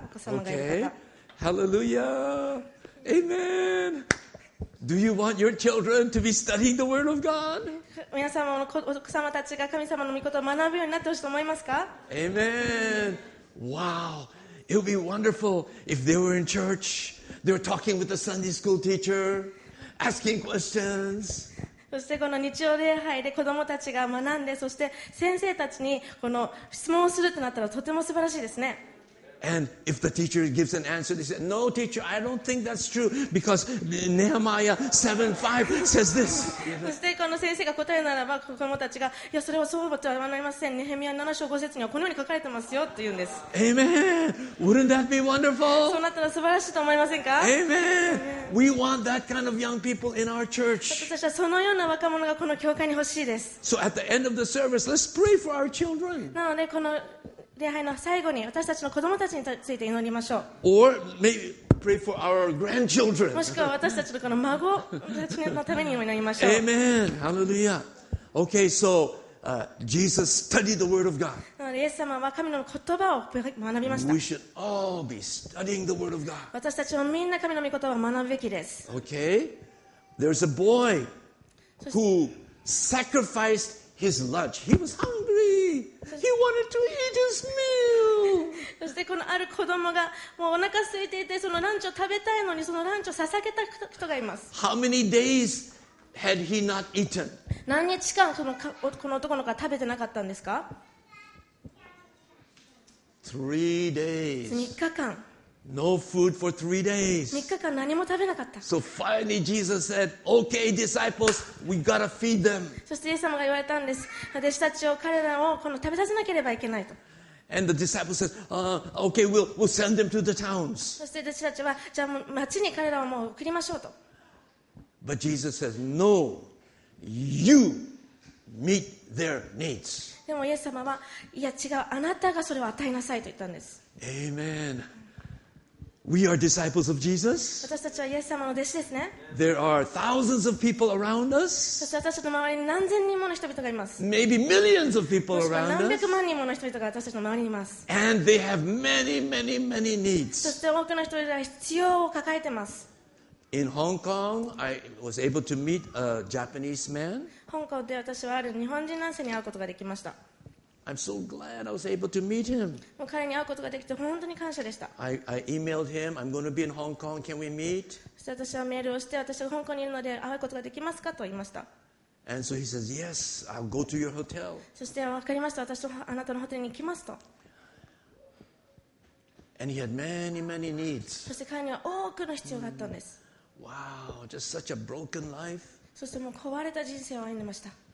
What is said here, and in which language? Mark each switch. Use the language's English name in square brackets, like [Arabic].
[Japanese] お子様がいる方。 [English] Hallelujah! Amen! Do you want your children to be studying the Word of God? [Japanese] 皆様のお子様たちが神様の御言葉を学ぶようになってほしいと思いますか？ [English] Amen! Wow! It would be wonderful if they were in church. They were talking with the Sunday school teacher, asking questions. [Japanese] そしてこの日曜礼拝で子どもたちが学んで、そして先生たちにこの質問をするとなったらとても素晴らしいですね。 [English] And if the teacher gives an answer, they say, "No, teacher, I don't think that's true because Nehemiah 7:5 says this." [Japanese] そしてこの先生が答えならば、子どもたちが、いやそれはそうとは言わないません。ネヘミヤ7章5節にはこのように書かれてますよって言うんです。 [English] Amen. Wouldn't that be wonderful? [Japanese] そうなったら素晴らしいと思いませんか？ [English] Amen. We want that kind of young people in our church. [Japanese] 私たちはそのような若者がこの教会に欲しいです。 [English] So at the end of the service, let's pray for our children. [Japanese] なのでこの礼拝の最後に私たちの子供たちについて祈りましょう。 [English] Or maybe pray for our grandchildren. [Japanese] もしくは私たちのこの孫たちのために祈りましょう。 [English] Amen. Hallelujah. Okay, so Jesus studied the Word of God. [Japanese] なので、イエス様は神の言葉を学びました。 [English] We should all be studying the Word of God. [Japanese] 私たちもみんな神の御言葉を学ぶべきです。 [English] Okay. There's a boy who sacrificed his lunch. He was hungry. He wanted to eat his meal. [Japanese] そしてこのある子供がもうお腹空いていてそのランチを食べたいのにそのランチを捧げた人がいます。 [English] How many days had he not eaten? [Japanese] 何日間そのこの男の子が食べてなかったんですか？ [English] 3 days. [Japanese] 3日間。 [English] No food for 3 days. [Japanese] 3日間何も食べなかった。 [English] So finally Jesus said, "Okay, disciples, we gotta feed them." [Japanese] そしてイエス様が言われたんです。弟子たちを彼らをこの食べさせなければいけないと。 [English] And the disciples said, "Okay, we'll send them to the towns." [Japanese] そして弟子たちはじゃあ町に彼らをもう送りましょうと。 [English] But Jesus says, "No, you meet their needs." [Japanese] でもイエス様はいや違うあなたがそれを与えなさいと言ったんです。 [English] Amen. We are disciples of Jesus. [Japanese] 私たちはイエス様の弟子ですね。 [English] There are thousands of people around us. [Japanese] そして私たちの周りに何千人もの人々がいます。 [English] Maybe millions of people around us. [Japanese] もしくは何百万人もの人々が私たちの周りにいます。 [English] And they have many, many, many needs. [Japanese] そして多くの人々が必要を抱えてます。 [English] In Hong Kong, I was able to meet a Japanese man. [Japanese] 香港で私はある日本人男性に会うことができました。 [English] I'm so glad I was able to meet him. [Japanese] 彼に会うことができて本当に感謝でした。 [English] I emailed him. I'm going to be in Hong Kong. Can we meet? [Japanese] そして私はメールをして私は香港にいるので会うことができますかと言いました。 [English] And so he says, "Yes, I'll go to your hotel." [Japanese] そして分かりました。私はあなたのホテルに行きますと。 [English] And he had many, many needs. [Japanese] そして彼には多くの必要があったんです。 [English] Wow, just such a broken life. [Japanese] そしてもう壊れた人生を歩んでました。